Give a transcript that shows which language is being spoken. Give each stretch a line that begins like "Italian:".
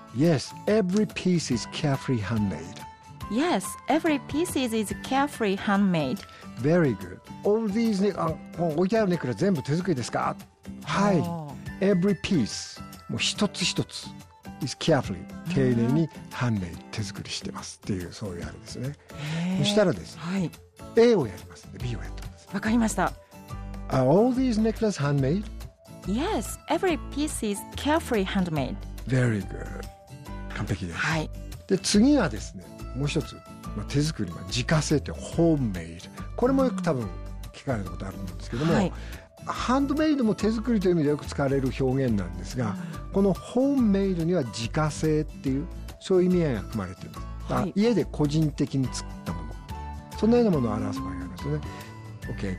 English: Yes, every piece is carefully handmade. Yes, every piece is carefully handmade. Very good. All these
Japanese: 置いてあるネックレス全部手作りですか？はい、
English: every piece、
Japanese: もう一つ一つ
English: is carefully、
Japanese: 丁寧に判明、手作りしてますっていう、そういうあれですね。そしたらです、はい、 A をやります、 B をやってます。わかりました。
English: Are all these necklaces handmade? Yes, every piece is carefully handmade. Very good.
Japanese: 完璧です、はい、で次はですね、もう一つ、まあ、手作り、まあ、自家製って homemade、 これもよく多分聞かれたことあると思うんですけども、はい、ハンドメイドも手作りという意味でよく使われる表現なんですが、うん、このホームメイドには自家製っていう、そういう意味合いが含まれています、はい、家で個人的に作ったもの、そんなようなものを表す場合がありますね、うん、OK.